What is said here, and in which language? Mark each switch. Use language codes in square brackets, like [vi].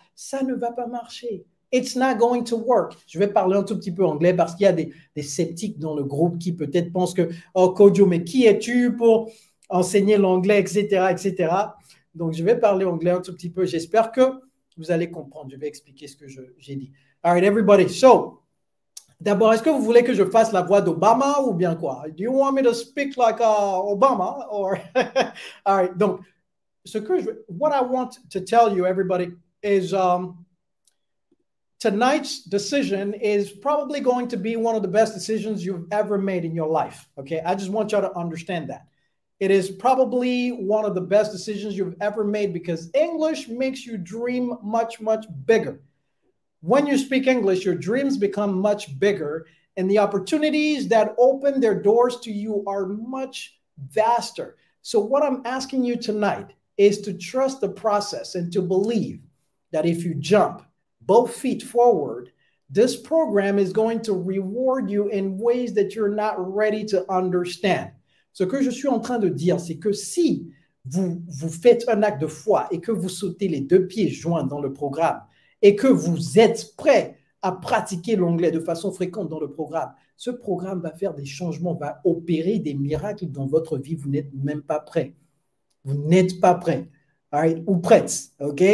[fr] Ça ne va pas marcher. [en] It's not going to work. [fr] Je vais parler un tout petit peu anglais parce qu'il y a des sceptiques dans le groupe qui peut-être pensent que, oh Kodjo, mais qui es-tu pour enseigner l'anglais, etc., etc. Donc, je vais parler anglais un tout petit peu. J'espère que vous allez comprendre. Je vais expliquer ce que j'ai dit. [en] All right, everybody. [fr] So, d'abord, est-ce que vous voulez que je fasse la voix d'Obama ou bien quoi? [en] Do you want me to speak like Obama? Or... All right, [fr] donc, [en] what I want to tell you, everybody, is tonight's decision is probably going to be one of the best decisions you've ever made in your life, okay? I just want y'all to understand that. It is probably one of the best decisions you've ever made because English makes you dream much, much bigger. When you speak English, your dreams become much bigger and the opportunities that open their doors to you are much vaster. So what I'm asking you tonight is to trust the process and to believe that if you jump both feet forward, this program is going to reward you in ways that you're not ready to understand. [fr] Ce que je suis en train de dire, c'est que si vous faites un acte de foi et que vous sautez les deux pieds joints dans le programme et que vous êtes prêt à pratiquer l'anglais de façon fréquente dans le programme, ce programme va faire des changements, va opérer des miracles dans votre vie. Vous n'êtes même pas prêt. Vous n'êtes pas prêt. [en] All right? [fr] Ou prête. OK?